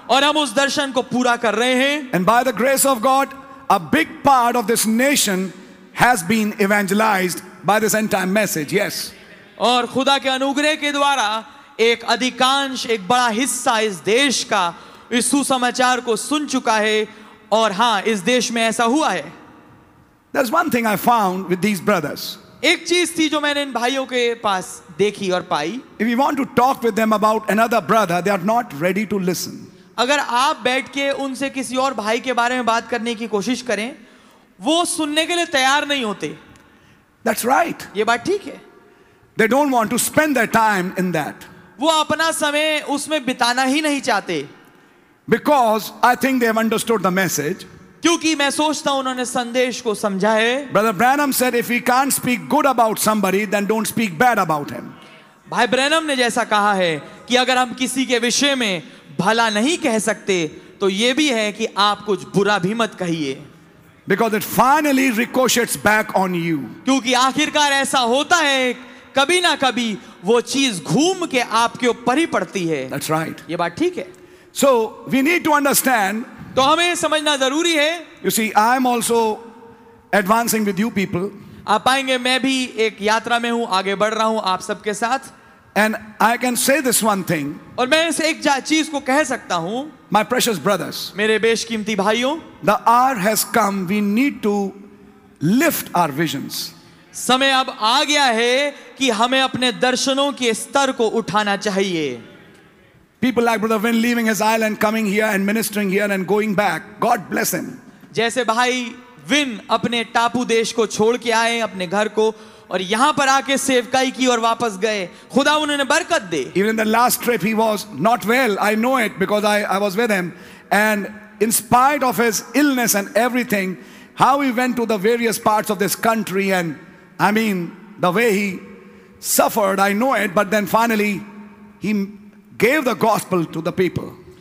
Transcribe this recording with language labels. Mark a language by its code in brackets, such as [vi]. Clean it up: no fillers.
[hi] और हम उस दर्शन को पूरा कर रहे हैं. [en] And by the grace of God, a big part of this nation has been evangelized by this entire message. Yes. [hi] और खुदा के अनुग्रह के द्वारा एक अधिकांश एक बड़ा हिस्सा इस देश का इस सुसमाचार को सुन चुका है. और हाँ, इस देश में ऐसा हुआ है. [en] There's one thing I found with these brothers. [hi] एक चीज थी जो मैंने इन भाइयों के पास देखी और पाई. [en] If you want to talk with them about another brother, they are not ready to listen. [hi] अगर आप बैठ के उनसे किसी और भाई के बारे में बात करने की कोशिश करें वो सुनने के लिए तैयार नहीं होते. [en] That's right. [hi] ये बात ठीक है. [en] They don't want to spend their time in that. [hi] वो अपना समय उसमें बिताना ही नहीं चाहते. [en] Because I think they have understood the message. [hi] क्योंकि मैं सोचता हूं उन्होंने संदेश को समझा है. [en] Brother Branham said, if he can't speak good about somebody, then don't speak bad about him. [hi] भाई ब्रैनम ने जैसा कहा है कि अगर हम किसी के विषय में भला नहीं कह सकते तो यह भी है कि आप कुछ बुरा भी मत कहिए. [en] Because it finally ricochets back on you. [hi] क्योंकि आखिरकार ऐसा होता है कभी ना कभी वो चीज घूम के आपके ऊपर ही पड़ती है. [en] That's right. [hi] ये बात ठीक है. [en] So we need to understand. [hi] तो हमें समझना जरूरी है. [en] You see, I'm also advancing with you people. [hi] आप पाएंगे मैं भी एक यात्रा में हूं आगे बढ़ रहा हूं आप सबके साथ. [en] And I can say this one thing. [hi] और मैं इस एक चीज को कह सकता हूं. [en] My precious brothers. [hi] मेरे बेशकीमती भाइयों. [en] The hour has come. We need to lift our visions. [hi] समय अब आ गया है कि हमें अपने दर्शनों के स्तर को उठाना चाहिए. [en] People like Brother Vin leaving his island, coming here and ministering here and going back. God bless him. [hi] जैसे भाई विन अपने टापू देश को छोड़ के आए अपने घर को और यहां पर आके सेवकाई की और वापस गए खुदा उन्होंने बरकत दे [en] even in the last trip he was not well I know it because I was with him and in spite of his illness and everything how he went to the various parts of this country and I mean the way he suffered I know it but then finally he gave the gospel to the people